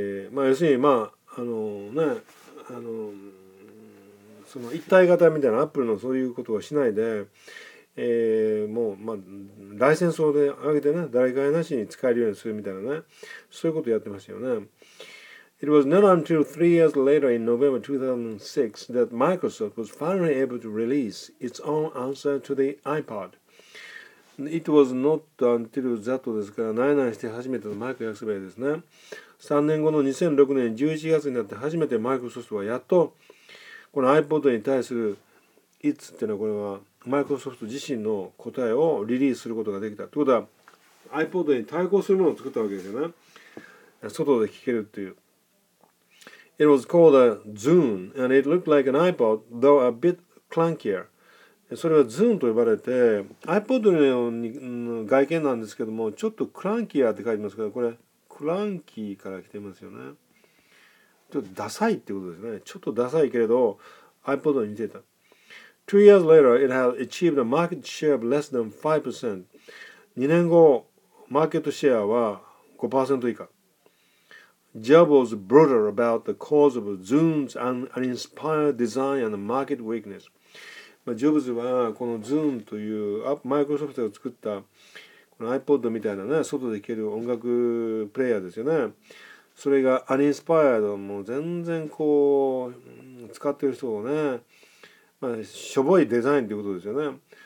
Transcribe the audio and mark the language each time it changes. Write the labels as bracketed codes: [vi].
[ja] まあ、要するに、まあ、その一体型みたいなアップルのそういうことをしないで、もう、まあ、ライセンスを上げてね、誰かなしに使えるようにするみたいなね、そういうことをやってましたよね。 [en] It was not until 3 years later in November 2006 that Microsoft was finally able to release its own answer to the iPod. It was not until that [ja] ですから、ないないして初めてのマイクを訳せばいいですね。 3年後の2006年11月になって初めてマイクロソフトはやっとこの iPod に対する It っていうのはこれはマイクロソフト自身の答えをリリースすることができた。ということは iPod に対抗するものを作ったわけですよね。外で聴けるっていう。 [en] It was called a Zoom and it looked like an iPod though a bit clunkier. [ja] それは Zoom と呼ばれて iPod の外見なんですけどもちょっとクランキアって書いてますからこれクランキーから来てますよね。ちょっとダサいってことですね。ちょっとダサいけれど iPod に似てた。 [en] 2 years later it had achieved a market share of less than 5%。 [ja] 2年後マーケットシェアは 5% 以下。 [en] Jobs brooded about the cause of Zoom's uninspired design and market weakness。 [ja] まあ、ジョブズはこの Zoom というマイクロソフトが作ったiPod みたいなね、外で聴ける音楽プレイヤーですよね。それが uninspired、もう全然こう、使ってる人をね、まあ、しょぼいデザインということですよね。